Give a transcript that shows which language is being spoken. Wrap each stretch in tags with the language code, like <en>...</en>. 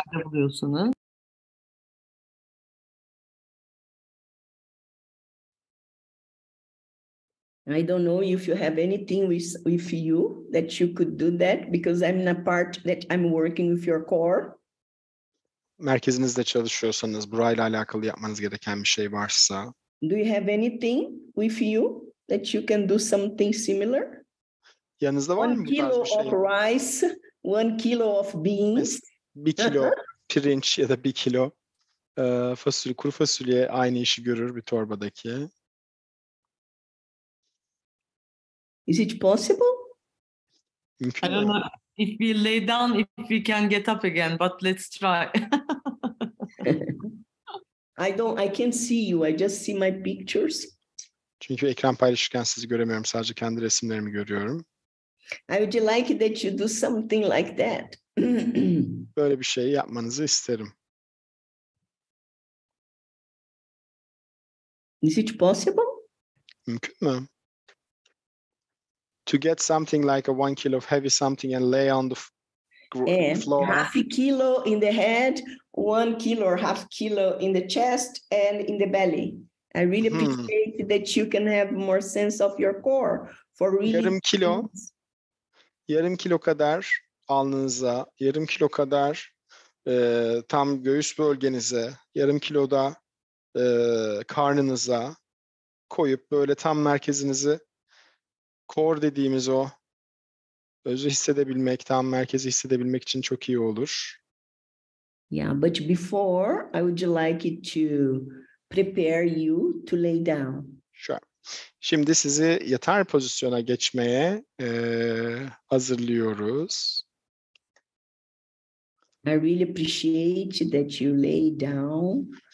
<tr>evet. buluyorsanız.</tr> <en>I don't know if you have anything with you that you could do that because I'm in a part that I'm working with your core.</en> <tr>Merkezinizde çalışıyorsanız, burayla alakalı yapmanız gereken bir şey varsa.</tr> <en>Do you have anything with you that you can do something similar?</en> <tr>Yanınızda var</tr> <en>one</en> <tr>mı bu tarz bir şey?</tr> <en>One kilo of rice, one kilo of beans.</en> <tr>Bir kilo pirinç ya da bir kilo fasulye, kuru fasulye aynı işi görür bir torbadaki.</tr> <en>Is it possible?</en> <tr>Mümkün</tr> <en>I don't know if we lay down, if we can get up again, but let's try. I can't see you, I just see my pictures.</en> <tr>Çünkü ekran paylaşırken sizi göremiyorum, sadece kendi resimlerimi görüyorum.</tr> <en>I would like that you do something like that.</en> <tr>Böyle bir şey yapmanızı isterim.</tr> <en>Is it possible?</en> <tr>Mümkün mü?</tr> <en>To get something like a 1 kilo of heavy something and lay on the floor. Half a kilo in the head, 1 kilo or half kilo in the chest and in the belly. I really appreciate that you can have more sense of your core for really.</en> <tr>Yarım kilo. Yarım kilo kadar alnınıza, yarım kilo kadar tam göğüs bölgenize, yarım kilo da karnınıza koyup böyle tam merkezinizi, core dediğimiz o özü hissedebilmek, tam merkezi hissedebilmek için çok iyi olur.</tr> <en>Yeah, but before I would like it to prepare you to lay down. Sure.</en> <tr>Şimdi sizi yatar pozisyona geçmeye hazırlıyoruz.</tr> <en>I really appreciate that you lay down.</en>